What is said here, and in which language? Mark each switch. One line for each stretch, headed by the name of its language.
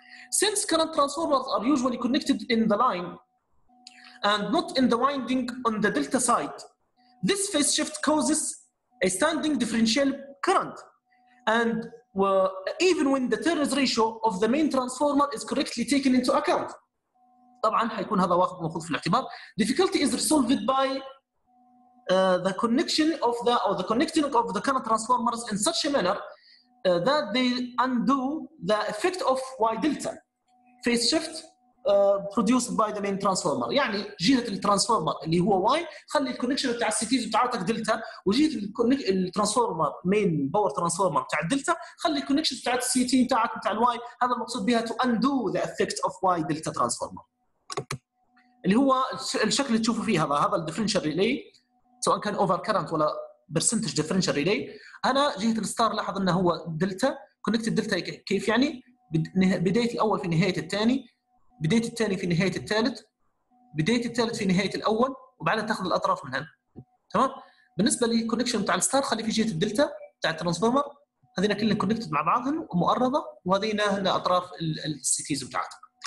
English: Since current transformers are usually connected in the line and not in the winding on the delta side, this phase shift causes a standing differential current. And even when the turns ratio of the main transformer is correctly taken into account.
Arabic: طبعاً حيكون هذا واخد مأخوذ في الاعتبار.
English: Difficulty is resolved by the connection of the or the connecting of the current transformers in such a manner that they undo the effect of Y delta phase shift produced by the main transformer.
Arabic: يعني جهة الترانسفورمر اللي هو Y خلي الكونكشن بتاع السيتيز بتاعتك دلتا وجهة الترانسفورمر مين باور ترانسفورمر بتاع دلتا خلي الكونكشن بتاع السيتي بتاعك بتاع الواي هذا المقصود بها
English: to undo the effect of Y delta transformer.
Arabic: اللي هو الشكل اللي تشوفه فيه هذا الديفرنشال ريلي سواء كان اوفر كرنت ولا برسنتج ديفرنشال ريلي انا جهه الستار لاحظ انه هو دلتا كونكتد دلتا كيف يعني بدايه الاول في نهايه الثاني بدايه الثاني في نهايه الثالث بدايه الثالث في نهايه الاول وبعدها تاخذ الاطراف منها تمام بالنسبه للكونكشن بتاع الستار خلي في جهه الدلتا بتاع الترانسفورمر هذين كلهم كونكتد مع بعضهم ومؤرضه وهذين هنا اطراف السيتيز بتاعتك